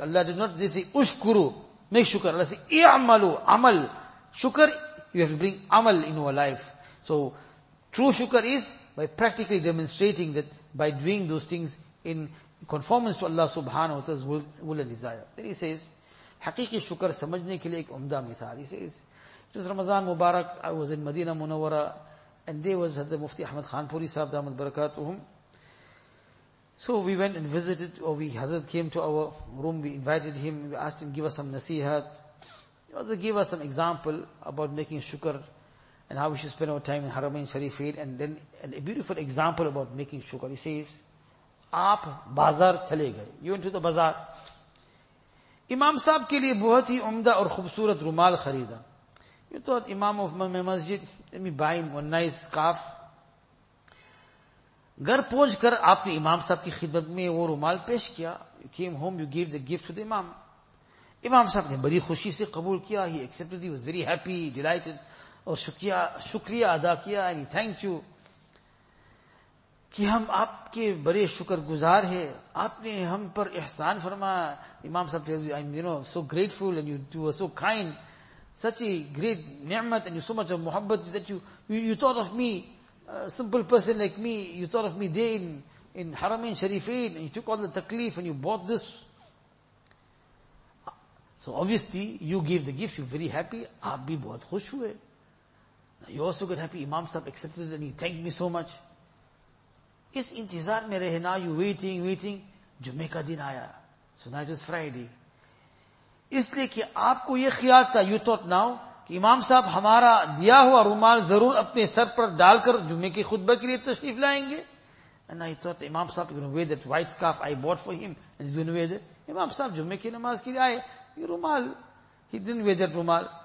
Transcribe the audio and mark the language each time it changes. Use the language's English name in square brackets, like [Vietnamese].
[English] Allah did not say ushkuru, make shukr. Allah say اعملوا, amal, shukr, you have to bring amal in your life. So true shukr is by practically demonstrating that by doing those things in conformance to Allah subhanahu wa ta'ala's will and desire. [Urdu] Then he says, حقیقی شکر سمجھنے کے لئے ایک عمدہ مثال. [English] He says, it was Ramadan Mubarak, I was in Medina Munawara, and there was Hazrat Mufti Ahmed Khan Puri Sahib, Damat Barakatuhum. So we went and visited, or we, Hazrat came to our room, we invited him, we asked him, give us some nasihat. He also gave us some example about making shukr, and how we should spend our time in Haramain Sharifain, and then and a beautiful example about making shukr. He says, [Urdu] آپ بازار چلے گئے. [English] You went to the bazaar. [Urdu] امام صاحب کے لئے بہت ہی عمدہ اور خوبصورت رومال خریدا. [English] You thought, imam of my masjid, let me buy him a nice scarf. [Urdu] گھر پہنچ کر آپ نے امام صاحب کی خدمت میں وہ رومال پیش کیا. [English] You came home, you gave the gift to the imam. [Urdu] امام صاحب نے بڑی خوشی سے قبول کیا. [English] He accepted, he was very happy, delighted. [Urdu] اور شکریہ ادا کیا. [English] And he thanked you. [Urdu] کہ ہم آپ کے بڑے شکر گزار ہیں, آپ نے ہم پر احسان فرمایا. [English] امام صاحب tells you, I'm you know so grateful and you were so kind, such a great ni'mat and you so much of muhabbat that you thought of me, a simple person like me, you thought of me day in Haramain Sharifain and you took all the taklif and you bought this. So obviously you gave the gift, you're very happy, [Urdu] آپ بھی بہت خوش ہوئے. [English] Now you also got happy, امام صاحب accepted and he thanked me so much. [Urdu] اس انتظار میں رہنا, [English] you waiting, waiting, [Urdu] جمعہ کا دن آیا. [English] So now it is Friday. [Urdu] اس لئے کہ آپ کو یہ خیال تھا, [English] you thought now, [Urdu] کہ امام صاحب ہمارا دیا ہوا رومال ضرور اپنے سر پر ڈال کر جمعہ کی خطبہ کے لئے تشریف لائیں گے. [English] And now you thought, امام صاحب is going to wear that white scarf I bought for him, and he's going to wear that. [Urdu] امام صاحب جمعہ کی نماز کے لئے آئے, یہ رومال, [English] he didn't wear that [Urdu] رومال.